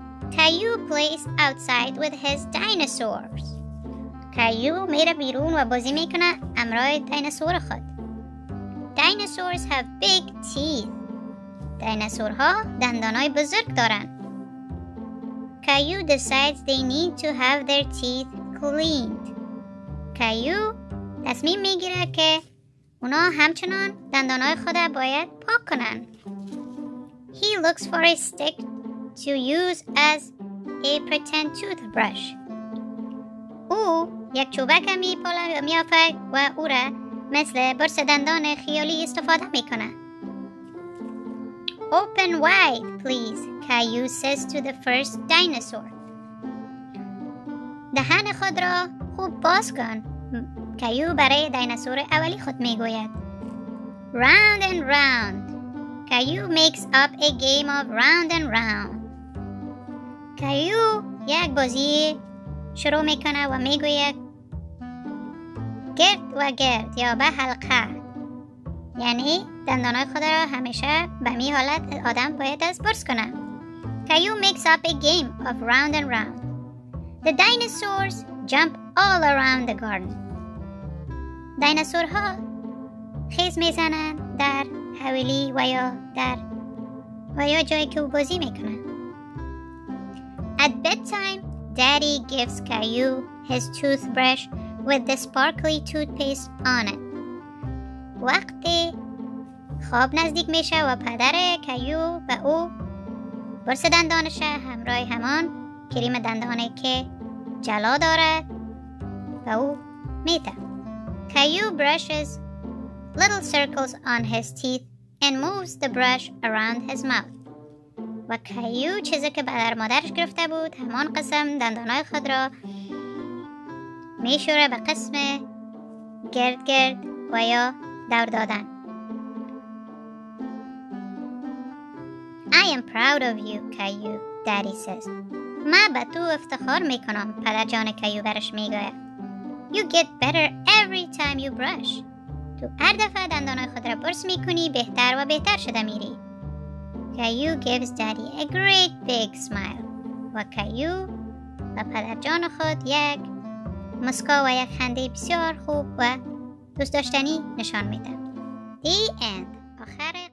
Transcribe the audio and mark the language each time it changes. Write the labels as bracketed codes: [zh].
[en] Caillou plays outside with his dinosaurs. [fa] Caillou میره بیرون و بازی میکنه امروی دایناسور خود. [en] Dinosaurs have big teeth. [fa] دایناسورها دندانهای بزرگ دارن. [en] Caillou decides they need to have their teeth cleaned. [fa] Caillou تصمیم میگیره که اونا همچنان دندانهای خود باید پاک کنن. [en] He looks for a stick to use as a pretend toothbrush. [fa] او یک چوبک میافد و او را مثل برس دندان خیالی استفاده میکنه. [en] Open wide, please, Caillou says to the first dinosaur. [fa] دهن خود را خوب باز کن. Caillou برای دایناسور اولی خود میگوید. [en] Round and round. Caillou makes up a game of round and round. [fa] Caillou یک بازی شروع میکنه و میگوید گرد و گرد یا به حلقه، یعنی دندانهای خود را همیشه به می حالت آدم باید از برس کنه. [en] Caillou makes up a game of round and round. The dinosaurs jump all around the garden. [fa] دایناسورها خیز میزنن در حویلی و یا در و یا جایی که او بازی میکنه. [en] At bedtime, Daddy gives Caillou his toothbrush with the sparkly toothpaste on it. [fa] وقتی خواب نزدیک میشه و پدر Caillou به او برس دندانش همراه همان کریم دندانه که جلا داره به او میده. [en] Caillou brushes little circles on his teeth and moves the brush around his mouth. [fa] و Caillou چیزی که پدر مادرش گرفته بود همان قسم دندانهای خود را میشوره به قسم گرد گرد و یا دور دادن. [en] I am proud of you, Caillou, Daddy says. [fa] ما به تو افتخار میکنم، پدر جان Caillou برش میگه. [en] You get better every time you brush. [fa] تو هر دفعه دندانهای خود را برس میکنی بهتر و بهتر شده میری. [en] Caillou gives Daddy a great big smile. [fa] و Caillou و پدر جان خود یک مسکا و یک خنده بسیار خوب و دوست داشتنی نشان میده. [en] The end. [fa] آخر.